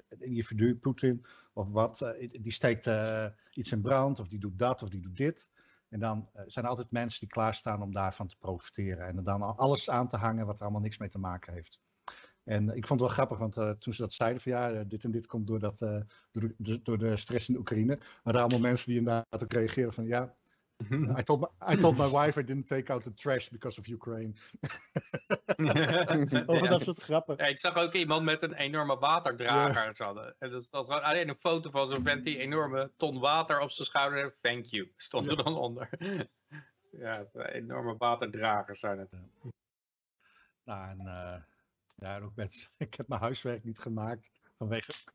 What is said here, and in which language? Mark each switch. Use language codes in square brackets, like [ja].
[nl] Het individu, Poetin of wat, die steekt iets in brand of die doet dat of die doet dit. En dan zijn er altijd mensen die klaarstaan om daarvan te profiteren. En dan alles aan te hangen wat er allemaal niks mee te maken heeft. En ik vond het wel grappig, want toen ze dat zeiden van ja, dit en dit komt door de stress in de Oekraïne. Maar er allemaal mensen die inderdaad ook reageren van ja. [en] I told my wife I didn't take out the trash because of Ukraine. [nl] Over dat soort grappen. Ja, ik zag ook iemand met een enorme waterdrager. Yeah. Hadden. En dus dat was alleen een foto van zo'n vent die enorme ton water op zijn schouder. [en] Thank you. [nl] Stond er dan onder. Ja, enorme waterdragers zijn het. Nou, en ook mensen. Ik heb mijn huiswerk niet gemaakt vanwege.